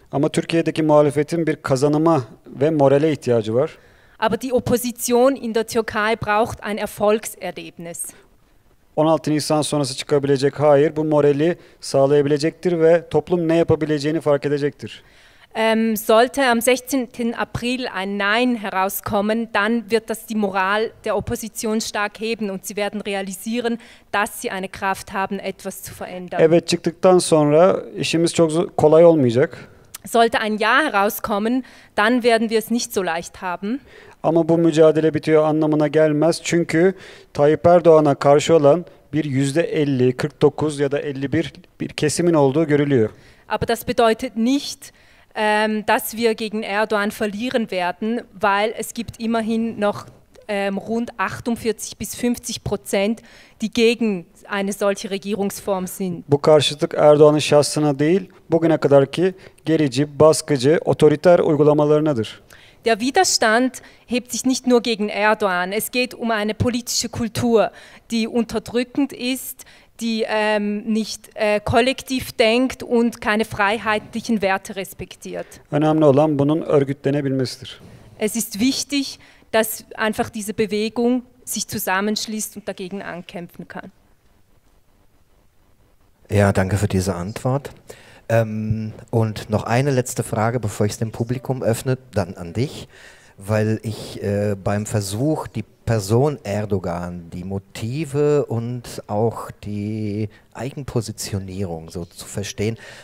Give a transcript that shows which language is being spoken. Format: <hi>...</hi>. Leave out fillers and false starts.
<tr>Ama Türkiye'deki muhalefetin bir kazanıma ve morale ihtiyacı var.</tr> <de>Aber die Opposition in der Türkei braucht ein Erfolgserlebnis.</de> <tr>16 Nisan sonrası çıkabilecek hayır bu morali sağlayabilecektir ve toplum ne yapabileceğini fark edecektir.</tr> <de>Sollte am 16. April ein Nein herauskommen, dann wird das die Moral der Opposition stark heben und sie werden realisieren, dass sie eine Kraft haben, etwas zu verändern.</de> <tr>Evet çıktıktan sonra işimiz çok kolay olmayacak.</tr> <de>Sollte ein Ja herauskommen, dann werden wir es nicht so leicht haben.</de> <tr>Ama bu mücadele bitiyor anlamına gelmez. Çünkü Tayyip Erdoğan'a karşı olan bir %50, 49 ya da 51 bir kesimin olduğu görülüyor.</tr> <de>Aber das bedeutet nicht, dass wir gegen Erdoğan verlieren werden, weil es gibt immerhin noch rund 48-50%, die gegen eine solche Regierungsform sind.</de> <tr>Bu karşıtlık Erdoğan'ın şahsına değil, bugüne kadarki gerici, baskıcı, otoriter uygulamalarınadır.</tr> <de>Der Widerstand hebt sich nicht nur gegen Erdoğan. Es geht um eine politische Kultur, die unterdrückend ist, die nicht kollektiv denkt und keine freiheitlichen Werte respektiert.</de> <tr>Önemli olan bunun örgütlenebilmesidir.</tr> <de>Es ist wichtig, dass einfach diese Bewegung sich zusammenschließt und dagegen ankämpfen kann. Ja, danke für diese Antwort. Und noch eine letzte Frage, bevor ich es dem Publikum öffne, dann an dich, weil ich beim Versuch, die Person Erdoğan, die Motive und auch die Eigenpositionierung so zu verstehen,</de>